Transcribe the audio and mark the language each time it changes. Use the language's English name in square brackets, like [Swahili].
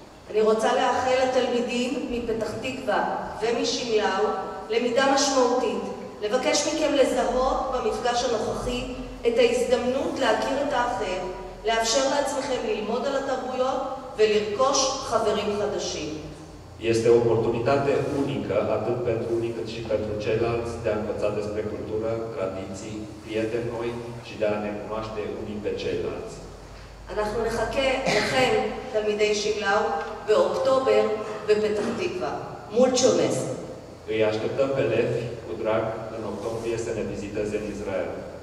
[Hebrew] אני רוצה לאחל לתלמידים מפתח תקווה ומשימלאו למידה משמעותית, לבקש מכם לזהות במפגש הנוכחי את ההזדמנות להכיר את האחר, לאפשר לעצמכם ללמוד על התרבויות ולרכוש חברים חדשים. [Romanian] Este o oportunitate unică, atât pentru unii cât și pentru ceilalți, de a învăța despre cultură, tradiții, prieteni noi și de a ne cunoaște unii pe ceilalți. [Hebrew] אנחנו נחכה לכם, תלמידי שימלאו, באוקטובר בפתח תקווה. [Spanish] Mucho más. [Romanian] Îi așteptăm pe Levi, cu drag, în octombrie să ne viziteze în Israel.